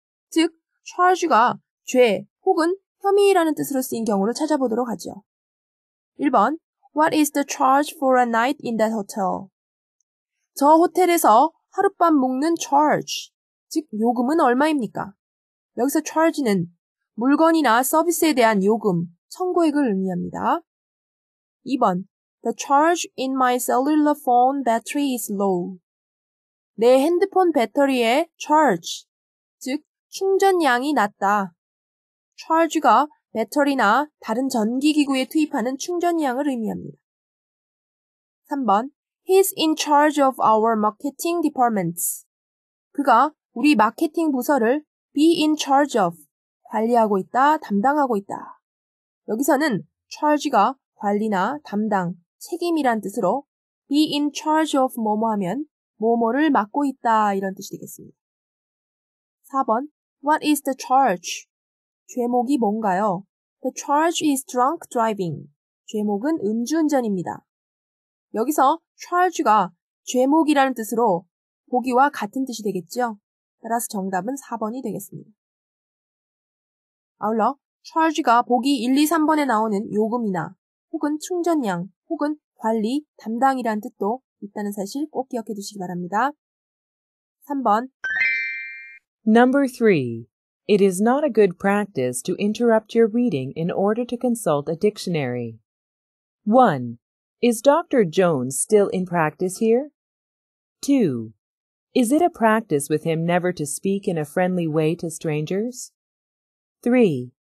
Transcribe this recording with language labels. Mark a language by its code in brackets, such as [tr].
[ko] 즉 charge가 죄 혹은 혐의라는 뜻으로 쓰인 경우를 찾아보도록 하죠. 1번 [en] What is the charge for a night in that hotel? [ko] 저 호텔에서 하룻밤 묵는 charge, 즉 요금은 얼마입니까? 여기서 charge는 물건이나 서비스에 대한 요금, 청구액을 의미합니다. 2번 [en] The charge in my cellular phone battery is low. [ko] 내 핸드폰 배터리의 charge, 즉 충전량이 낮다. charge가 배터리나 다른 전기기구에 투입하는 충전량을 의미합니다. 3번 [en] He's in charge of our marketing departments. [ko] 그가 우리 마케팅 부서를 [en] be in charge of, [ko] 관리하고 있다, 담당하고 있다. 여기서는 charge가 관리나 담당, 책임이란 뜻으로 [en] be in charge of [ko] 뭐뭐 하면 뭐뭐를 맡고 있다 이런 뜻이 되겠습니다. 4번 [en] What is the charge? [ko] 죄목이 뭔가요? [en] The charge is drunk driving. [ko] 죄목은 음주운전입니다. 여기서 charge가 죄목이라는 뜻으로 보기와 같은 뜻이 되겠죠? 따라서 정답은 4번이 되겠습니다. 아울러 charge가 보기 1, 2, 3번에 나오는 요금이나 혹은 충전량 혹은 관리, 담당이라는 뜻도 있다는 사실 꼭 기억해 두시기 바랍니다. 3번 [en] Number 3 It is not a good practice to interrupt your reading in order to consult a dictionary. 1. Is Dr. Jones still in practice here? 2. Is it a practice with him never to speak in a friendly way to strangers? 3.